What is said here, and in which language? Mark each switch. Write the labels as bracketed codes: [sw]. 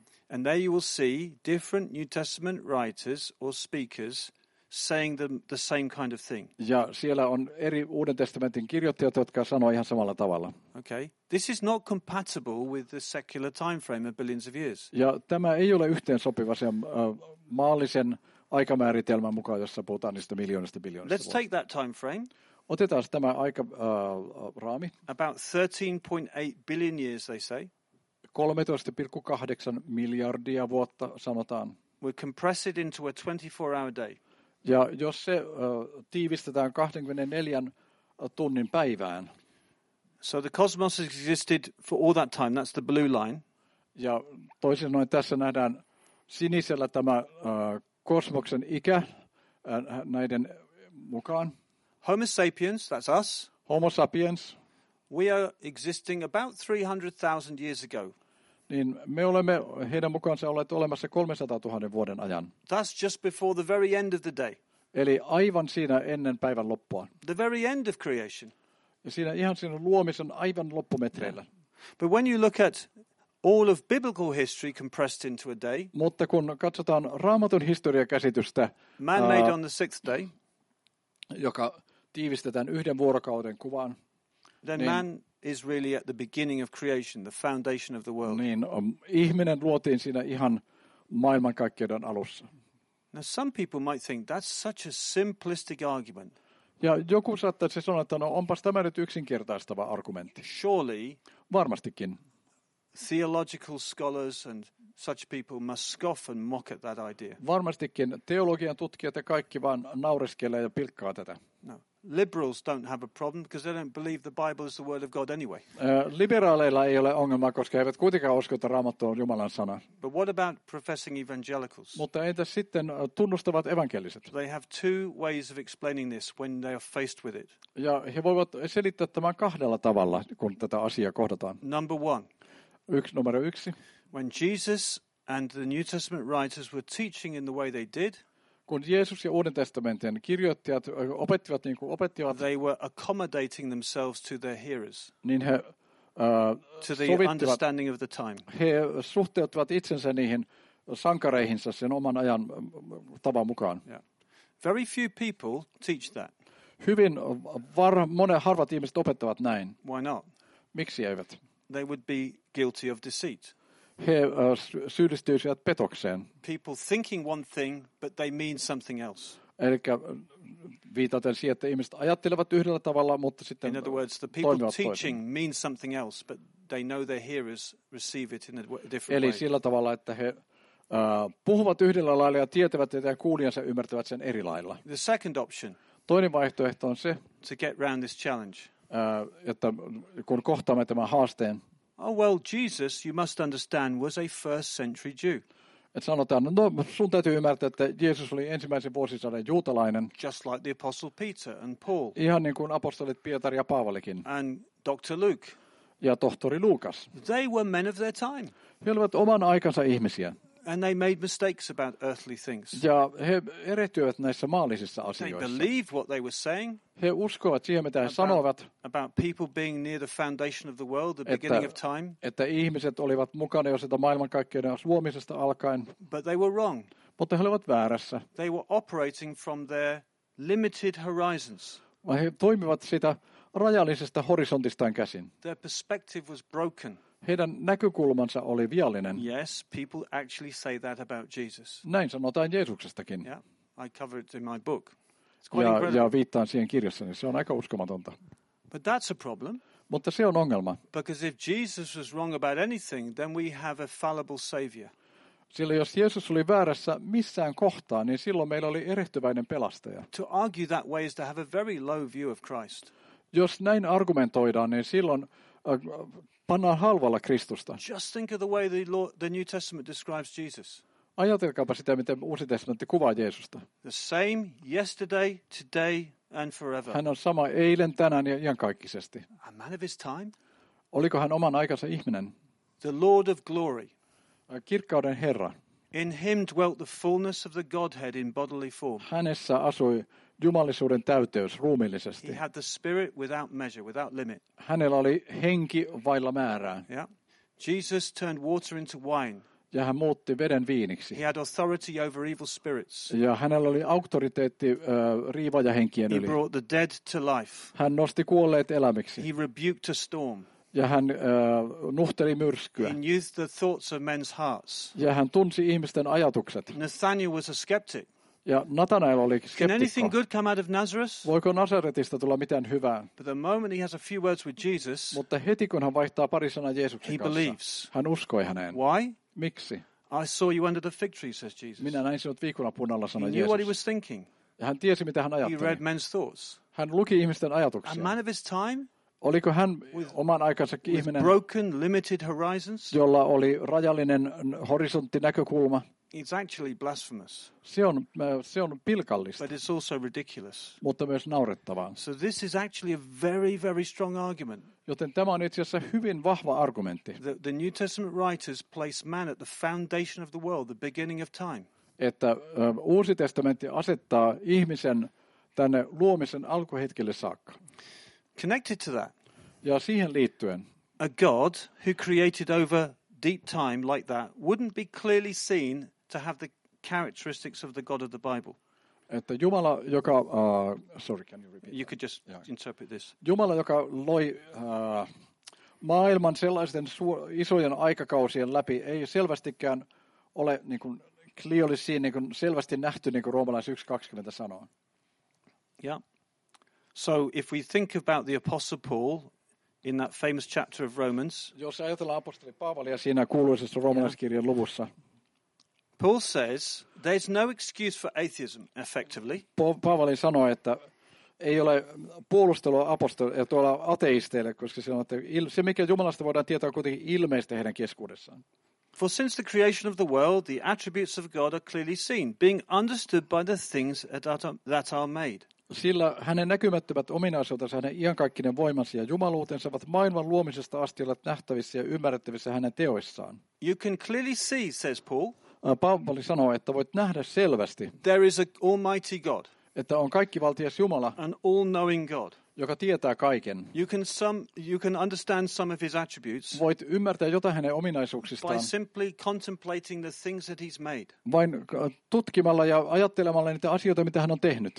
[en] And there you will see different New Testament writers or speakers saying the same kind of thing. [fi] Ja siellä on eri Uuden testamentin kirjoittajat, jotka sanoo ihan samalla tavalla. [en] Okay. This is not compatible with the secular time frame of billions of years. [fi] Ja tämä ei ole yhteensopiva sen maallisen aikamääritelmän mukaan, jossa puhutaan niistä miljoonista biljoonista. [en] Let's take that time frame. [fi] Otetaan tämä aika raami. [en] About 13.8 billion years, they say. [fi] 13,8 miljardia vuotta sanotaan. [en] We compress it into a 24-hour day. [fi] Ja jos se tiivistetään 24 tunnin päivään. [en] So the cosmos has existed for all that time. That's the blue line. [fi] Ja toisin sanoen tässä nähdään sinisellä tämä kosmoksen ikä näiden mukaan. [en] Homo sapiens, that's us. [fi] Homo sapiens. [en] We are existing about 300,000 years ago. [fi] Niin me olemme heidän mukaansa olleet olemassa 300 000 vuoden ajan. [en] That's just before the very end of the day. [fi] Eli aivan siinä ennen päivän loppua. [en] The very end of creation. [fi] Ja siinä ihan siinä luomisen aivan loppumetreillä. [en] But when you look at all of biblical history compressed into a day. [fi] Mutta kun katsotaan Raamatun historiakäsitystä. [en] Man made on the sixth day. [fi] Joka tiivistetään yhden vuorokauden kuvaan. [en] Then niin, man is really at the beginning of creation, the foundation of the world. [fi] Niin, ihminen luotiin siinä ihan maailmankaikkeuden alussa. [en] Now some people might think that's such a simplistic argument. [fi] Ja joku saattaisi sanoa, että no onpas tämä nyt yksinkertaistava argumentti. [en] Surely, [fi] varmastikin. [en] Theological scholars and such people must scoff and mock at that idea. [fi] Varmastikin teologian tutkijat ja kaikki vaan naureskelee ja pilkkaa tätä. [en] No. Liberals don't have a problem because they don't believe the Bible is the word of God anyway. [fi] Liberaaleilla ei ole ongelmaa, koska he eivät kuitenkaan usko, että Raamattu on Jumalan sana. [en] But what about professing evangelicals? [fi] Mutta entä sitten tunnustavat evankeliset? [en] They have two ways of explaining this when they are faced with it. [fi] Ja he voivat selittää tämän kahdella tavalla, kun tätä asiaa kohdataan. [en] Number one. [fi] Yksi numero yksi. [en] When Jesus and the New Testament writers were teaching in the way they did, [fi] kun Jeesus ja Uuden testamentin kirjoittajat opettivat niin kuin opettivat, [en] they were accommodating themselves to their hearers, [fi] niin he [en] to the understanding of the time. [fi] He suhteuttivat itsensä niihin sankareihinsa sen oman ajan tavan mukaan. [en] Yeah. Very few people teach that. [fi] Hyvin monen harvat ihmiset opettavat näin. [en] Why not? [fi] Miksi eivät? [en] They would be guilty of deceit. [fi] He syyllistyisivät petokseen. [en] People thinking one thing, but they mean something else. [fi] Eli viitaten siihen, että ihmiset ajattelevat yhdellä tavalla, mutta sitten toimivat toisin. [en] In other words, the people teaching mean something else, but they know their hearers receive it in a different [fi] eli [en] way. [fi] Eli sillä tavalla, että he puhuvat yhdellä lailla ja tietävät, että kuulijansa ymmärtävät sen eri lailla. [en] The second option. [fi] Toinen vaihtoehto on se, [en] to get round this challenge. [fi] Että kun kohtaamme tämän haasteen, [en] oh well, Jesus, you must understand, was a first-century Jew. [fi] Et sanotaan, no, sun täytyy ymmärtää, että Jeesus oli ensimmäisen vuosisadan juutalainen. [en] Just like the apostle Peter and Paul. [fi] Ihan niin kuin apostolit Pietari ja Paavalikin. [en] And Dr. Luke. [fi] ja tohtori Lukas. [en] They were men of their time. [fi] He olivat oman aikansa ihmisiä. [en] And they made mistakes about earthly things. [fi] Ja he erehtyivät näissä maallisissa asioissa. [en] They believed what they were saying. [fi] He uskoivat siihen, mitä he sanoivat. [en] About people being near the foundation of the world, the beginning of time. [fi] Että ihmiset olivat mukana jo sitä maailmankaikkeuden luomisesta alkaen. [en] But they were wrong. [fi] Mutta he olivat väärässä. [en] They were operating from their limited horizons. [fi] He toimivat sitä rajallisesta horisontistaan käsin. [en] Their perspective was broken. [fi] Heidän näkökulmansa oli viallinen. [en] Yes, people actually say that about Jesus. [fi] Näin sanotaan Jeesuksestakin. [en] Yeah, I cover it in my book. It's quite incredible. [fi] Ja viittaan siihen kirjassani. Se on aika uskomatonta. [en] But that's a problem. [fi] Mutta se on ongelma. [en] Because if Jesus was wrong about anything, then we have a fallible savior. [fi] Sillä jos Jeesus oli väärässä missään kohtaa, niin silloin meillä oli erehtyväinen pelastaja. [en] To argue that way is to have a very low view of Christ. [fi] Jos näin argumentoidaan, niin silloin pannaan halvalla Kristusta. [en] Just think of the way the New Testament describes Jesus. [fi] Ajatelkaapa sitä, miten Uusi testamentti kuvaa Jeesusta. [en] The same yesterday, today and forever. [fi] Hän on sama eilen, tänään ja iankaikkisesti. [en] A man of his time. [fi] Oliko hän oman aikansa ihminen? [en] The Lord of glory. [fi] Kirkkauden Herra. [en] In him dwelt the fullness of the Godhead in bodily form. [fi] Hänessä asui jumalisuuden täyteys ruumiillisesti. [en] He had the spirit without measure, without limit. [fi] Hänellä oli henki vailla määrää. [en] Yeah. Jesus turned water into wine. [fi] Ja hän muutti veden viiniksi. [en] He had authority over evil spirits. [fi] Ja hänellä oli auktoriteetti riivaajahenkien yli. [en] He brought the dead to life. [fi] Hän nosti kuolleet elämiksi. [en] He rebuked a storm. [fi] Ja hän nuhteli myrskyä. [en] He knew the thoughts of men's hearts. [fi] Ja hän tunsi ihmisten ajatukset. [en] Nathanael was a skeptic. [fi] Ja Nathanael oli skeptikko. [en] Can anything good come out of Nazareth? [fi] Voiko Nazaretista tulla mitään hyvää? [en] But the moment he has a few words with Jesus, [fi] mutta heti kun hän vaihtaa pari sanaa Jeesuksen [en] he [fi] kanssa, [en] believes. [fi] Hän uskoi häneen. [en] Why? [fi] Miksi? [en] I saw you under the fig tree, says Jesus. [fi] Minä näin sinut viikunapuun alla, sanoi [en] Jeesus. What he was thinking. [fi] Ja hän tiesi, mitä hän ajatteli. [en] He read men's thoughts. [fi] Hän luki ihmisten ajatuksia. [en] A man of his time? [fi] Oliko hän oman aikansa ihminen, [en] broken, limited horizons? [fi] Jolla oli rajallinen horisonttinäkökulma? [en] It's actually blasphemous. [fi] Se on pilkallista. [en] But it's also ridiculous. [fi] Mutta myös naurettavaa. [en] So this is actually a very, very strong argument. [fi] Joten tämä on itse asiassa hyvin vahva argumentti. [en] The New Testament writers place man at the foundation of the world, the beginning of time. [fi] Että Uusi testamentti asettaa ihmisen tänne luomisen alkuhetkelle saakka. [en] Connected to that. [fi] Ja siihen liittyen. [en] A God who created over deep time like that wouldn't be clearly seen to have the characteristics of the God of the Bible. [fi] Että Jumala, joka [en] can you repeat? You could just interpret this. [fi] Jumala, joka loi maailman sellaisten isojen aikakausien läpi, ei selvästikään ole niin kuin [en] clearly seen, [fi] niin kuin selvästi nähty, niin kuin Roomalais 1:20 sanoo. [en] Yeah. So if we think about the Apostle Paul in that famous chapter of Romans. [fi] Jos ajatellaan apostoli Paavalia siinä kuuluisessa roomalaiskirjan luvussa. [en] Paul says there's no excuse for atheism effectively. [fi] Paavali sanoi, että ei ole puolustelua apostoli ja tuolla ateisteille, koska se on, että se mikä Jumalasta voidaan tietää kuitenkin ilmeistä heidän keskuudessaan. [en] For since the creation of the world the attributes of God are clearly seen, being understood by the things that are made. [fi] Sillä hänen näkymättömät ominaisuutensa, hänen iankaikkinen voimansa ja jumaluutensa ovat maailman luomisesta asti olleet nähtävissä ja ymmärrettävissä hänen teoissaan. [en] You can clearly see, says Paul. [fi] Paavali sanoo, että voit nähdä selvästi. [en] There is an almighty God. [fi] Että on kaikkivaltias Jumala. [en] An all-knowing God. [fi] Joka tietää kaiken. [en] You can understand some of his attributes. [fi] Voit ymmärtää jotain hänen ominaisuuksistaan. [en] By simply contemplating the things that he's made. [fi] Vain tutkimalla ja ajattelemalla niitä asioita, mitä hän on tehnyt.